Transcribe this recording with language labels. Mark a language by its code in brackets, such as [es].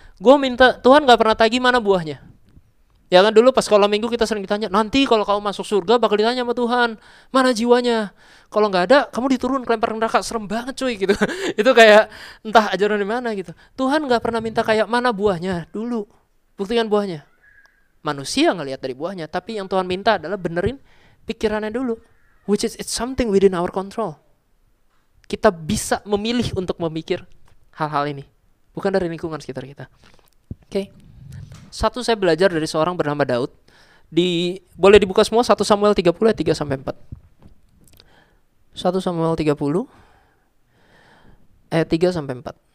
[id] Gue minta, Tuhan gak pernah tagi mana buahnya. Ya kan dulu pas sekolah minggu kita sering ditanya, nanti kalau kamu masuk surga bakal ditanya sama Tuhan, mana jiwanya? Kalau gak ada, kamu diturun, kelempar neraka, serem banget cuy gitu. Itu kayak entah ajaran di mana gitu. Tuhan gak pernah minta kayak mana buahnya dulu. Buktikan buahnya. Manusia ngelihat dari buahnya, tapi yang Tuhan minta adalah benerin pikirannya dulu. [en] Which is, it's something within our control. [id] Kita bisa memilih untuk memikir hal-hal ini, bukan dari lingkungan sekitar kita. Oke. Satu saya belajar dari seorang bernama Daud. Boleh dibuka semua 1 Samuel 30 ayat 3 sampai 4. 1 Samuel 30 ayat 3 sampai 4.